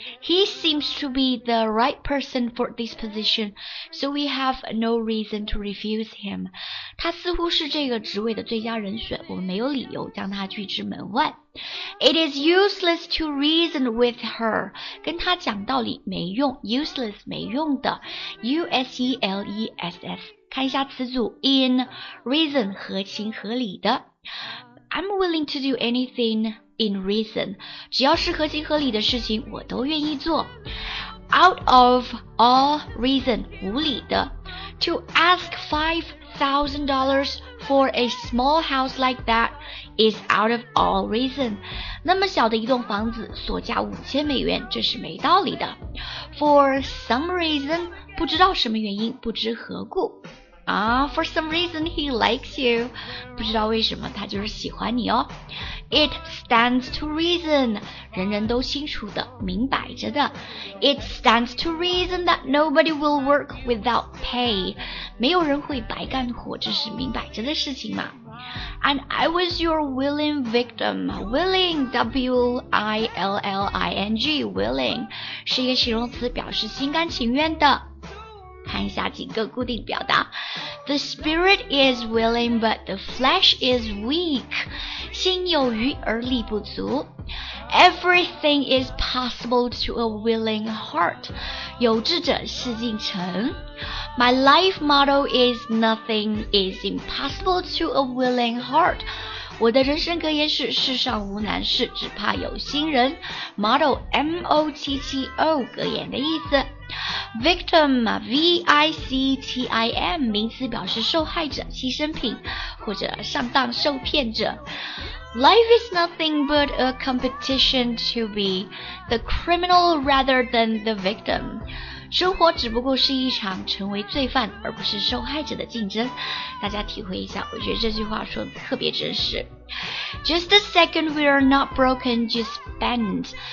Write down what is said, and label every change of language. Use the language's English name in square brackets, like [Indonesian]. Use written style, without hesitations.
[English] He seems to be the right person for this position, so we have no reason to refuse him. [Chinese] 他似乎是这个职位的最佳人选，我们没有理由将他拒之门外。 [English] It is useless to reason with her. [Chinese] 跟他讲道理没用 [English] ,useless [Chinese] 没用的 [English] ,U-S-E-L-E-S-S。 [Chinese] 看一下词组 in, reason, 合情合理的。 [English] I'm willing to do anything. In reason, [Chinese] 只要是合情合理的事情我都愿意做。 [English] Out of all reason, [Chinese] 无理的。 [English] To ask $5,000 for a small house like that is out of all reason. [Chinese] 那么小的一栋房子所价$5,000这是没道理的。 [English] For some reason, [Chinese] 不知道什么原因不知何故。 [English] For some reason he likes you. [Chinese] 不知道为什么他就是喜欢你哦。 [English] It stands to reason. [Chinese] 人人都清楚的，明摆着的。 [English] It stands to reason that nobody will work without pay. [Chinese] 没有人会白干活，这是明摆着的事情嘛。 [English] And I was your willing victim. Willing, W-I-L-L-I-N-G, willing. [Chinese] 是一个形容词，表示心甘情愿的。看一下几个固定表达 [English] The spirit is willing but the flesh is weak [Chinese] 心有余而力不足 [English] Everything is possible to a willing heart [Chinese] 有志者事竟成 [English] My life motto is nothing is impossible to a willing heart [Chinese] 我的人生格言是世上无难事只怕有心人 [English] Motto M-O-T-T-O [Chinese] 格言的意思 [English] Victim, V-I-C-T-I-M, [Chinese] 名词表示受害者、牺牲品或者上当受骗者。 [English] Life is nothing but a competition to be the criminal rather than the victim. [Chinese] 生活只不过是一场成为罪犯而不是受害者的竞争。大家体会一下，我觉得这句话说得特别真实。 [English] Just a second, we are not broken, just bend.